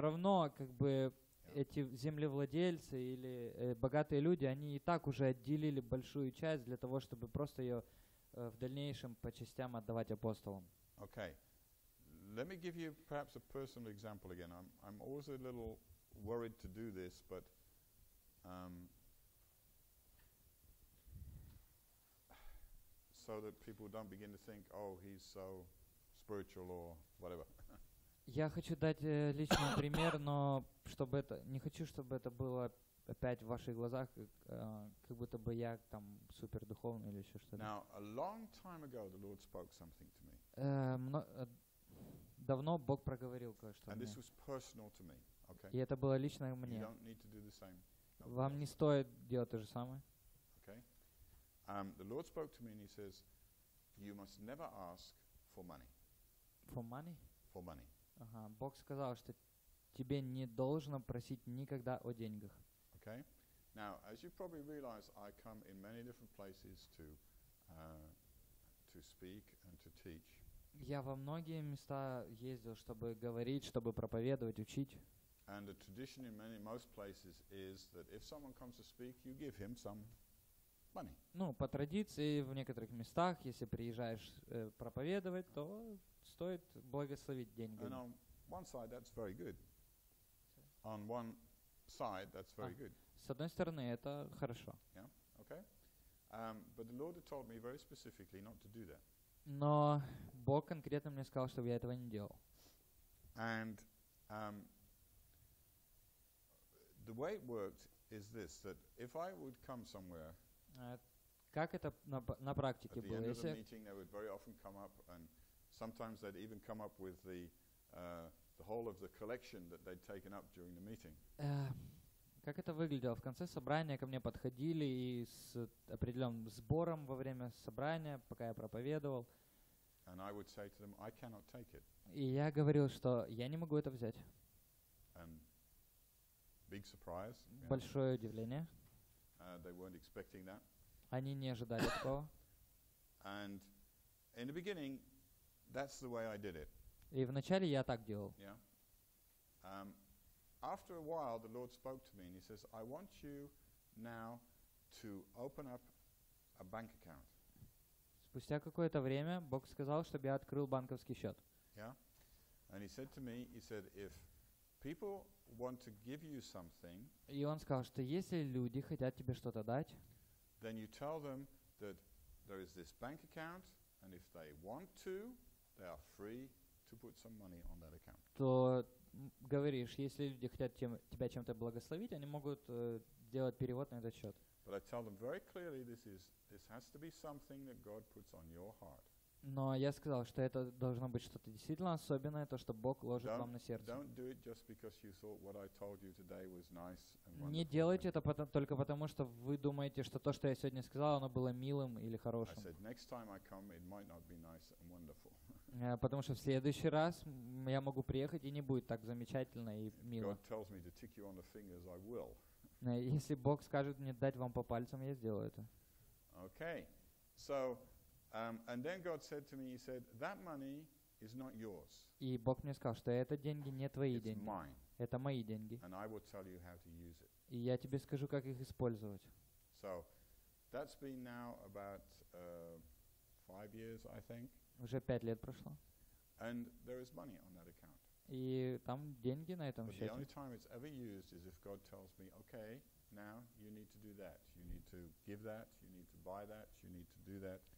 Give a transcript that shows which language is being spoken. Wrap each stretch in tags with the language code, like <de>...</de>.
<ru>равно как бы эти землевладельцы или богатые люди, они и так уже отделили большую часть для того, чтобы просто ее в дальнейшем по частям отдавать апостолам.</ru> <en>Okay. Let me give you perhaps a personal example again. I'm always a little worried to do this, but so that people don't begin to think, oh, he's so spiritual or whatever.</en> <ru>Я хочу дать личный пример, но чтобы это не хочу, чтобы это было опять в ваших глазах, как будто бы я там супер духовный или еще что-то.</ru> <en>Now, a long time ago, the Lord spoke something to me.</en> <ru>Давно Бог проговорил кое-что мне.</ru> <en>And this was personal to me, okay?</en> <ru>И это было лично мне.</ru> <en>You don't need to do the same.</en> <ru>Вам не стоит делать то же самое.</ru> <en>Okay. The Lord spoke to me and he says, you must never ask for money. For money? For money.</en> <ru>Ага. Бог сказал, что тебе не должно просить никогда о деньгах.</ru> <en>Okay. Now, as you probably realize, I come in many different places to speak and to teach.</en> <ru>Я во многие места ездил, чтобы говорить, чтобы проповедовать, учить.</ru> <en>And the tradition in many most places is that if someone comes to speak, you give him some money.</en> <ru>Ну, по традиции в некоторых местах, если приезжаешь проповедовать, то стоит благословить деньги.</ru> <en>And on one side, that's very good. On one side, that's very good.</en> <ru>С одной стороны, это хорошо.</ru> <en>Yeah. Okay. But the Lord told me very specifically not to do that.</en> <ru>Но Бог конкретно мне сказал, чтобы я этого не делал.</ru> <en>And the way it worked is this: that if I would come somewhere.</en> <ru>Как это на практике было?</ru> <en>At the end of the meeting, they would very often come up, and sometimes they'd even come up with the whole of the collection that they'd taken up during the meeting.</en> <ru>Как это выглядело? В конце собрания ко мне подходили и с определенным сбором во время собрания, пока я проповедовал.</ru> <en>And I would say to them, I cannot take it.</en> <ru>И я говорил, что я не могу это взять.</ru> <en>And big surprise,</en> <ru>большое yeah. удивление.</ru> <en>They weren't expecting that.</en> <ru>Они не ожидали такого.</ru> <en>And in the beginning, that's the way I did it.</en> <ru>И вначале я так делал.</ru> <en>Yeah. After a while, the Lord spoke to me and he says, I want you now to open up a bank account.</en> <ru>Спустя какое-то время Бог сказал, чтобы я открыл банковский счет.</ru> <en>Yeah. And he said to me, he said, if people want to give you something,</en> <ru>и он сказал, что если люди хотят тебе что-то дать,</ru> <en>then you tell them that there is this bank account and if they want to, they are free to put some money on that account.</en> <ru>Говоришь, если люди хотят тебя чем-то благословить, они могут делать перевод на этот счет.</ru> <en>But I tell them very clearly this has to be something that God puts on your heart.</en> <ru>Но я сказал, что это должно быть что-то действительно особенное, то, что Бог ложит вам на сердце.</ru> <en>Don't do it just because you thought what I told you today was nice and wonderful.</en> <ru>Не делайте это только потому, что вы думаете, что то, что я сегодня сказал, оно было милым или хорошим.</ru> <en>I said, next time I come, it might not be nice and wonderful.</en> <ru>Потому что в следующий раз я могу приехать, и не будет так замечательно и мило.</ru> <en>God tells me to tick you on the fingers, I will.</en> <ru>Если Бог скажет мне дать вам по пальцам, я сделаю это.</ru> <en>Okay. So, and then God said to me, he said, that money is not yours.</en> <ru>И Бог мне сказал, что это деньги не твои</ru> <en>It's</en> <ru>деньги.</ru> <en>Mine.</en> <ru>Это мои деньги.</ru> <en>And I will tell you how to use it.</en> <ru>И я тебе скажу, как их использовать.</ru> <en>So, that's been now about 5 years, I think.</en> <ru>Уже 5 лет прошло.</ru> <en>And there is money on that account.</en> <ru>И там деньги на этом</ru> <en>But</en> <ru>счете.</ru> <en>The only time it's ever used is if God tells me, okay, now you need to do that, you need to give that, you need to buy that, you need to do that.</en>